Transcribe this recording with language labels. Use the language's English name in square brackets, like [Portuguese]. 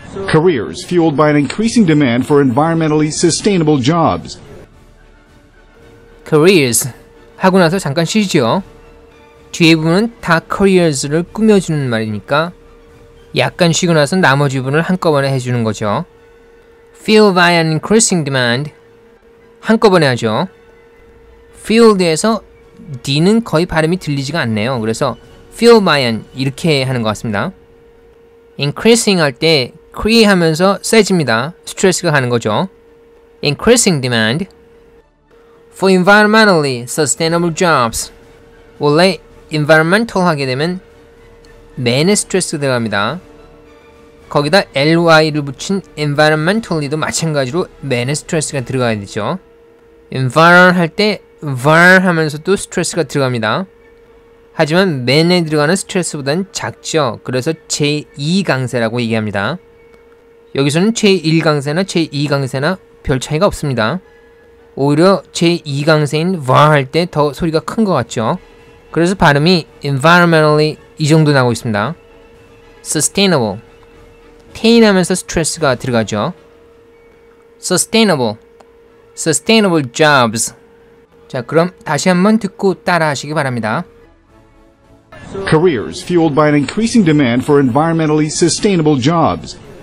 [English] Careers fueled by an increasing demand for environmentally sustainable jobs. [Korean] Careers 하고 나서 잠깐 쉬죠. 뒤에 부분은 다 careers를 꾸며주는 말이니까 약간 쉬고 나서 나머지 부분을 한꺼번에 해주는 거죠. [English] Fueled by an increasing demand [Korean] 한꺼번에 하죠. Fueled에서 D는 거의 발음이 들리지가 않네요. 그래서 Fueled by an 이렇게 하는 것 같습니다. Increasing 할 때 cree 하면서 세집니다. 스트레스가 가는 거죠. [English] Increasing demand for environmentally sustainable jobs. [Korean] 원래 environmental 하게 되면 man의 스트레스가 들어갑니다. 거기다 ly를 붙인 environmentally도 마찬가지로 man의 스트레스가 들어가야 되죠. environ 할 때 var 하면서도 스트레스가 들어갑니다. 하지만 맨에 들어가는 스트레스보다는 작죠. 그래서 제2강세라고 얘기합니다. 여기서는 제1강세나 제2강세나 별 차이가 없습니다. 오히려 제2강세인 var 할 때 더 소리가 큰 것 같죠. 그래서 발음이 environmentally 이 정도 나오고 있습니다. [English] sustainable. [Korean] 테인하면서 스트레스가 들어가죠. [English] sustainable. sustainable jobs. [Korean] 자, 그럼 다시 한번 듣고 따라하시기 바랍니다. [English] Careers fueled by an increasing demand for environmentally sustainable jobs.